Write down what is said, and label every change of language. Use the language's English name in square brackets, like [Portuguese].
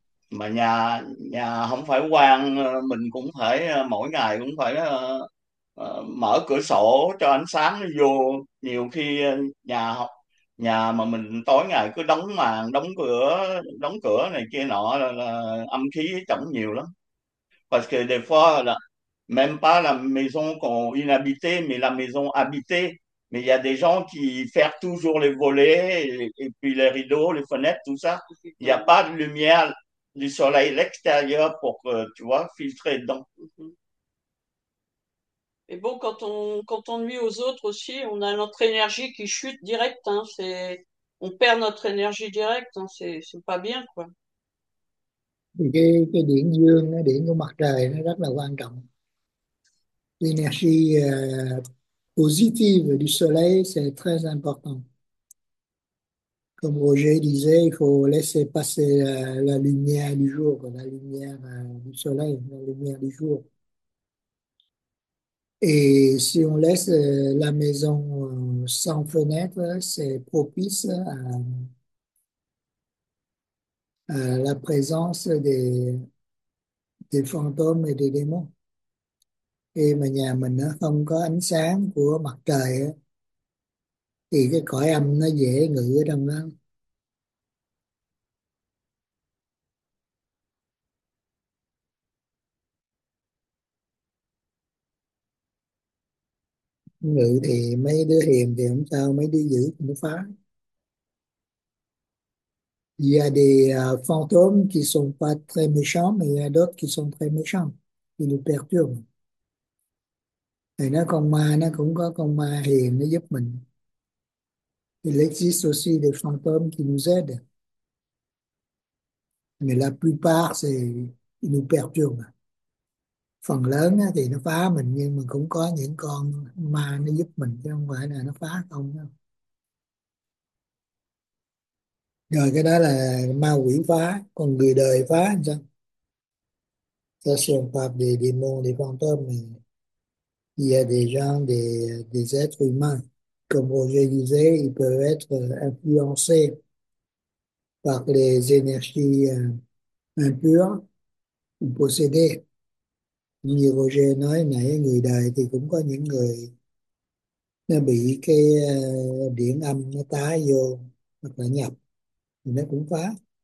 [Vietnamese] Mà nhà nhà không phải quan, mình cũng phải mỗi ngày cũng phải mở cửa sổ cho ánh sáng nó vô. Nhiều khi nhà nhà mà mình tối ngày cứ đóng màn, đóng cửa này kia nọ là âm khí chậm nhiều lắm. [French] Parce que des fois là même pas la maison qu'on inhabitée, mais la maison habitée. Mais il y a des gens qui ferment toujours les volets et puis les rideaux, les fenêtres, tout ça. Il n'y a Effectivement. pas de lumière du soleil extérieur pour, tu vois, filtrer dedans. Et bon, quand on nuit aux autres aussi, on a notre énergie qui chute direct, hein, on perd notre énergie directe, hein, c'est pas bien, quoi. [Vietnamese] Cái điện dương, cái điện của mặt trời nó rất là quan trọng. [French] L'énergie positive du soleil, c'est très important. Comme Roger disait, il faut laisser passer la lumière du jour, la lumière du soleil, la lumière du jour. Et si on laisse la maison sans fenêtre, c'est propice à la présence des fantômes et des démons. [Vietnamese] Et mà nhà mình không có ánh sáng của mặt trời á, thì cái cõi âm nó dễ ngự ở trong đó. Ngự thì mấy đứa hiền thì không sao, mấy đứa dữ thì nó phá. [French] Il y a des fantômes qui sont pas très méchants, mais il y a d'autres qui sont très méchants, qui nous perturbent. [Vietnamese] Et nó con ma, nó cũng có con ma hiền, nó giúp mình. [French] Il existe aussi des fantômes qui nous aident. Mais la plupart, ils nous perturbent. [Vietnamese] Phần lớn thì nó phá mình, nhưng mà cũng có những con ma nó giúp mình, chứ không phải là nó phá không đâu. Rồi cái đó là ma quỷ phá, còn người đời phá làm sao? [French] Ça sont pas des démons, des fantômes, mais il y a des gens, des êtres humains. Comme Roger disait, ils peuvent être influencés par les énergies impures ou possédées. [Vietnamese] Như Roger nói nãy, người đời thì cũng có những người nó bị cái điện âm nó tá vô hoặc là nhập, nó cũng phá.